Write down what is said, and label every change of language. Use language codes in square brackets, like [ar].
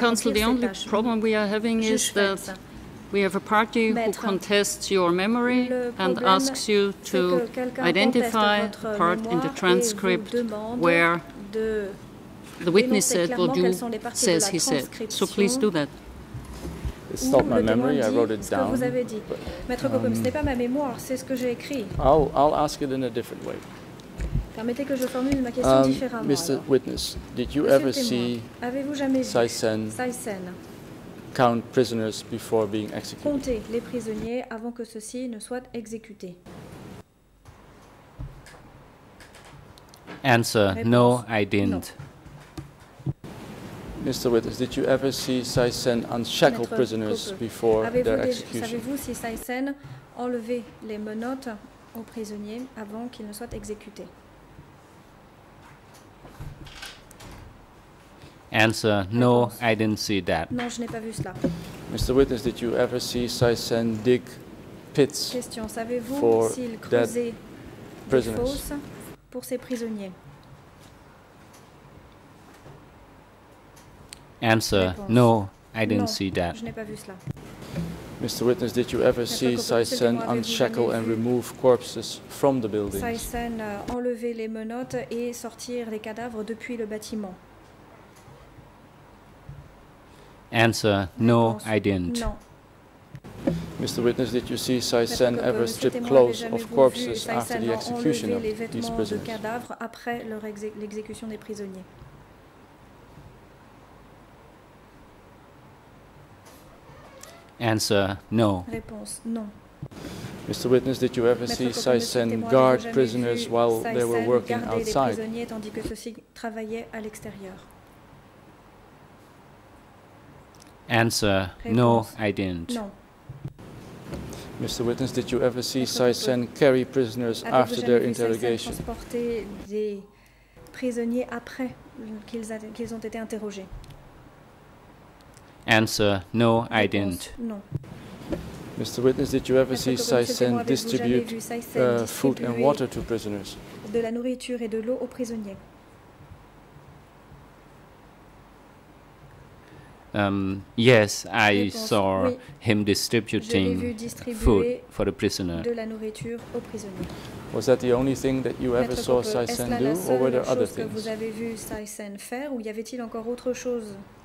[en] Counsel, the only problem we are having is that we have a party who contests your memory and asks you to identify the part in the transcript where the witness said what you says he said. So please do that. It's not my memory, I wrote it down. [fr] Maître Cocombe, ce n'est pas ma mémoire, c'est ce que j'ai écrit. [en] I'll ask it in a different way. [fr] Permettez que je formule ma question différemment. [en] Mr. Witness, did you ever see Soeun count prisoners before being executed? [fr] Comptez les prisonniers avant que ceux-ci ne soient exécutés. [en] Answer, no, I didn't. Mr. Witness, did you ever see Soeun unshackle prisoners before their execution? [fr] Savez-vous si Soeun enlevait les menottes aux prisonniers avant qu'ils ne soient exécutés? [en] Answer, no, I didn't see that. [fr] Non, je n'ai pas vu cela. [en] Mr. Witness, did you ever see Soeun dig pits [fr] question, savez-vous [en] for [fr] s'il creusait [en] dead prisoners? [fr] Des fosses pour ces prisonniers? [en] Answer, no, I didn't see that. [fr] Je n'ai pas vu cela. [en] Mr. Witness, did you ever see Soeun unshackle and remove corpses from the building? [fr] Soeun enlever les menottes et sortir les cadavres depuis le bâtiment. [en] Answer, no, I didn't. [fr] Non. [en] Mr. Witness, did you see Soeun ever strip clothes of corpses after the execution of these prisoners? [fr] De cadavres après leur l'exécution des prisonniers. [en] Answer, no. [fr] Réponse, non. [en] Mr. Witness, did you ever see Soeun guard prisoners while they were working outside? [fr] Les prisonniers tandis que ceux-ci travaillaient à l'extérieur. [en] Answer, [fr] réponse, [en] no, I didn't. [fr] Non. [en] Mr. Witness, did you ever see Soeun carry prisoners [fr] avez-vous [en] after their interrogation? [fr] Avez-vous jamais vu Soeun transporter des prisonniers après qu'ils ont été interrogés? [en] Answer, no, I didn't. [fr] Non. [en] Mr. Witness, did you ever see Soeun distribute food and water to prisoners? [fr] De la nourriture et de l'eau aux prisonniers. [en] Yes, I saw him distributing food for the prisoner. [fr] De la nourriture aux prisonniers. [en] Was that the only thing that you ever saw Soeun do, or were there other things? [fr] Que vous avez vu Soeun faire, ou y avait-il encore autre chose?